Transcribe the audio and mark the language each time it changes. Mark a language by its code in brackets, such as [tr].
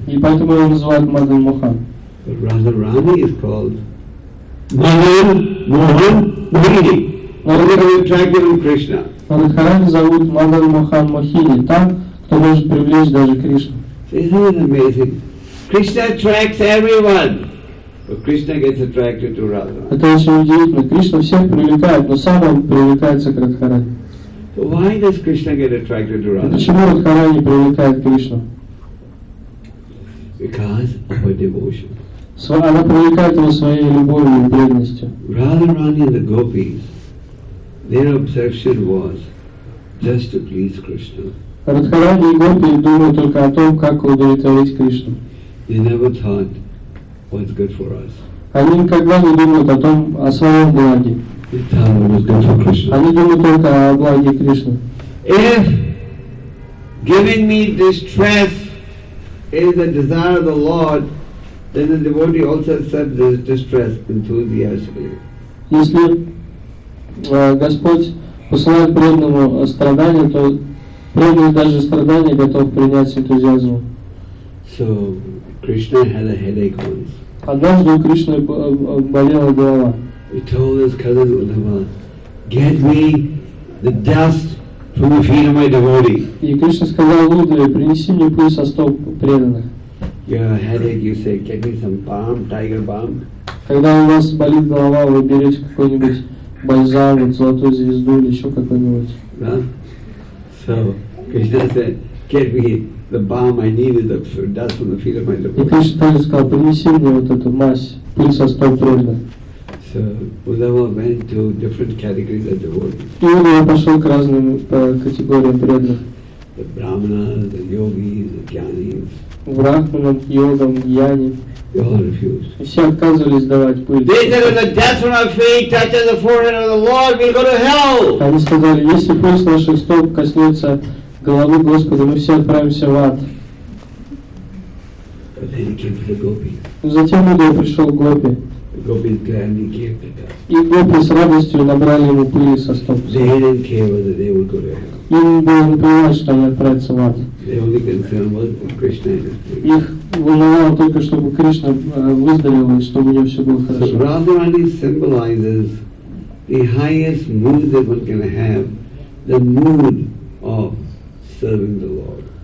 [ru] И поэтому его называют Мадан Мохан. [en] But Radharani is called Madan Mohan Mohini. [ru] Но кто может быть [en] attractive than [ru] Krishna? Радхарани зовут Мадан Мохан Мохини. Там, кто может привлечь даже Кришну. [en] Isn't it amazing? Krishna attracts everyone, but Krishna gets attracted to Radha. [ru] Это очень удивительно. Кришна всех привлекает, но сам он привлекается к Радхарани. [en] So why does Krishna get attracted to Radha? [ru] Почему Радхарани привлекает Кришну? [en] Because of her devotion. [ru] Она привлекает его своей любовью и преданностью. [en] Radharani and the gopis, their obsession was just to please Krishna. [ru] Радхарани и гопи думают только о том, как удовлетворить Кришну. [en] They never thought what's good for us. [ru] Они никогда не думают о том, о своем благе. [en] They thought what was good for Krishna. [ru] Они думают только о благе Кришны. [en] If giving me distress is the desire of the Lord, then the devotee also accepts this distress enthusiastically. [ru] Если Господь посылает преданному страдания, то преданный даже страдания готов принять с энтузиазмом. [en] So, Krishna had a headache once. [ru] Однажды у Кришны болела голова. [en] He told his cousin Uddhava, "Get me the dust from the feet of my devotee." [ru] И Кришна сказал Уддхаве, "Принеси мне пыль со стоп преданных." [en] Your headache, you say, "Get me some balm, tiger balm." [ru] Когда у вас болит голова, вы берете какой-нибудь бальзам, золотую звезду или еще какой-нибудь. Да. [en] So Krishna said, "Get me the balm I needed, the dust from the feet of my devotee." [ru] Krishna также сказал, принеси мне вот эту мазь, пыль со стоп преданных. [en] So Uddhava went to different categories of devotees. [ru] И Uddhava пошел к разным категориям преданных. [en] The brahmanas, the yogis, the gyanis. [ru] Брахманам, йогам, гьяни. [en] They all refused. [ru] Все отказывались давать пыль. [en] They said, "If the dust from our feet touches the forehead of the Lord, we'll go to hell." [ru] Они сказали, если пыль с наших стоп коснется головы Господа, мы все отправимся в ад. [en] But then he came to the Gopi. [ru] Затем Удай пришел к Гопи. [en] The Gopis gladly gave the guy. [ru] И Гопи с радостью набрали ему пыли со стоп. [en] They didn't care whether they would go to heaven. [ru] Им было плевать, что они отправятся в ад. Их волновало только, чтобы Кришна выздоровел, и чтобы у него все было хорошо. [en] Радхарани symbolizes the highest mood that one can have, the mood of serving the Lord.